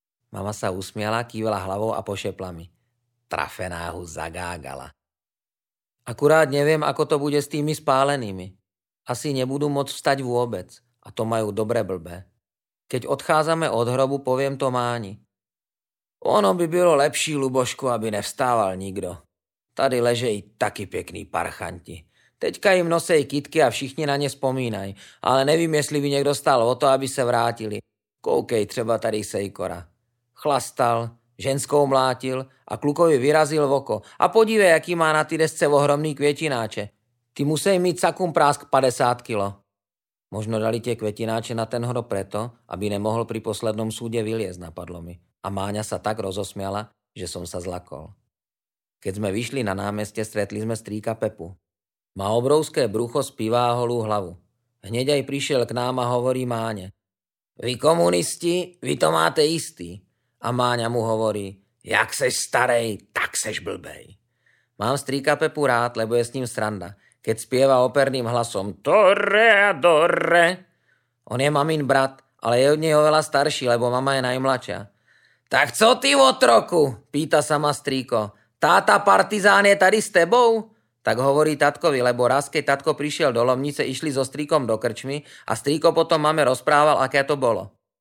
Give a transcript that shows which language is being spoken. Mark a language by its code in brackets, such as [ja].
[sk] Mama sa usmiala, kývala hlavou a pošepla mi: Trafená ho zagágala. Akurát neviem, ako to bude s tými spálenými. Asi nebudú môcť vstať vôbec a to majú dobre blbé. Keď odchádzame od hrobu, poviem to Máni. [cs] Ono by bylo lepší, Lubošku, aby nevstával nikto. Tady ležejí taky pekní parchanti. Teďka im nosej kytky a všichni na ne spomínaj, ale nevím, jestli by niekto stál o to, aby se vrátili. Koukej třeba tady Sejkora. Chlastal, ženskou mlátil a klukovi vyrazil v oko. A podívej, jaký má na ty desce ohromný květináče. Ty musej mít sakum prásk 50 kilo. [sk] Možno dali tie květináče na ten hrob preto, aby nemohol pri poslednom súde vyliezť, napadlo mi. A Máňa sa tak rozosmiala, že som sa zlakol. Keď sme vyšli na námestie, stretli sme strýka Pepu. Má obrovské brucho, spívá holú hlavu. Hneď aj prišiel k nám a hovorí Máne: Vy komunisti, vy to máte istý. A Máňa mu hovorí: [cs] Jak seš starej, tak seš blbej. [sk] Mám strýka Pepu rád, lebo je s ním sranda. Keď spieva operným hlasom Dore a dore. On je mamin brat, ale je od nej oveľa starší, lebo mama je najmladšia. [cs] Tak co ty, otroku? [sk] Pýta sa ma strýko. [cs] Táta partizán je tady s tebou? [sk] Tak hovorí tatkovi, lebo raz, keď tatko prišiel do lomnice, išli so strýkom do krčmy a strýko potom mame rozprával, aké to bolo.